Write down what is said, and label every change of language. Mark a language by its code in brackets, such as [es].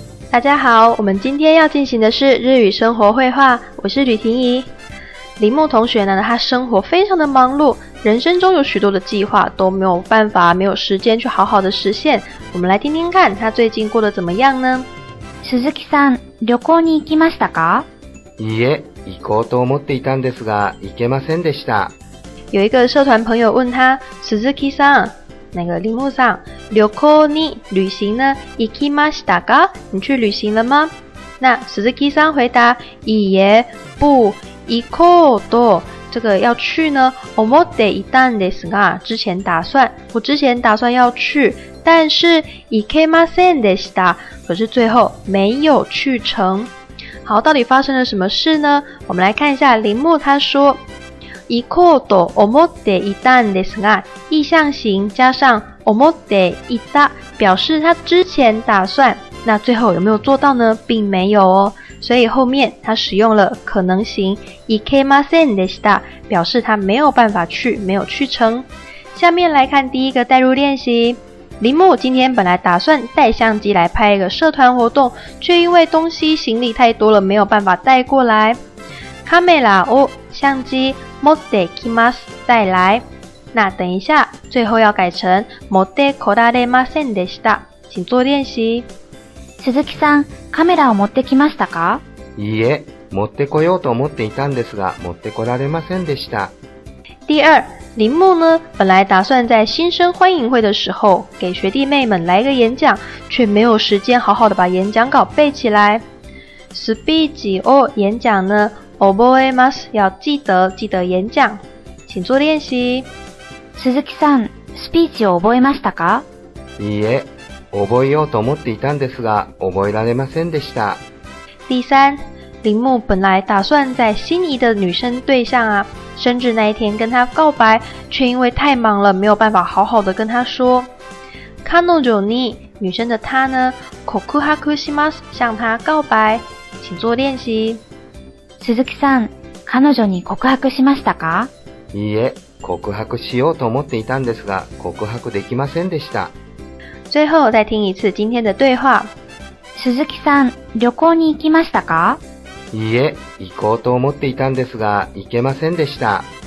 [zh] 大家好，我们今天要进行的是日语生活绘画，我是吕婷宜。铃木同学呢，他生活非常的忙碌，人生中有许多的计划都没有办法，没有时间去好好的实现。我们来听听看他最近过得怎么样呢？ [ja] 鈴木さん、旅行に行きましたか？いいえ、行こうと思っていたんですが、行けませんでした。 [zh] 有一个社团朋友问他，鈴木さん，那个铃木さん， [ja] 旅行に [zh] 旅行呢？ [ja] 行きましたか？ [zh] 你去旅行了吗？那鈴木さん回答， [ja] いいえ， [zh] 不。 [ja] 行こうと， [zh] 这个要去呢， [ja] 思っていたんですが， [zh] 之前打算，我之前打算要去，但是 [ja] 行けませんでした， [zh] 可是最后没有去成。好，到底发生了什么事呢？我们来看一下铃木他说， [ja] 行こうと思っていたんですが， [zh] 意象形加上 [ja] 思っていた， [zh] 表示他之前打算，那最后有没有做到呢？并没有哦。所以后面他使用了可能型 [ja] 行けませんでした， [zh] 表示他没有办法去，没有去成。下面来看第一个代入练习。铃木今天本来打算带相机来拍一个社团活动，却因为东西行李太多了，没有办法带过来。 [ja] カメラを [zh] 相机 [ja] 持って来ます [zh] 带来。那等一下，最后要改成 [ja] 持って来られませんでした， [zh] 请做练习。 [ja] 鈴木さん、カメラを持ってきましたか？いいえ、持ってこようと思っていたんですが、持ってこられませんでした。 [zh] 第二、铃木呢、本来打算在新生欢迎会的时候、给学弟妹们来一个演讲、却没有时间好好的把演讲稿背起来。 [ja] スピーチを [zh] 演讲呢、 [ja] 覚えます、 [zh] 要记得、记得演讲。请做练习。 [ja] 鈴木さん、スピーチを覚えましたか？いいえ、覚えようと思っていたんですが、覚えられませんでした。 [zh] 第三、铃木本来打算在心仪的女生对象啊，生日那一天跟她告白，却因为太忙了，没有办法好好的跟她说。 [ja] 彼女に、 [zh] 女生的她呢、 [ja] 告白します， [zh] 向她告白，请做练习。 [ja] 鈴木さん、彼女に告白しましたか？いいえ、告白しようと思っていたんですが、告白できませんでした。 [zh] 最后再听一次今天的对话。 [ja] 鈴木さん、旅行に行きましたか？いいえ、行こうと思っていたんですが、行けませんでした。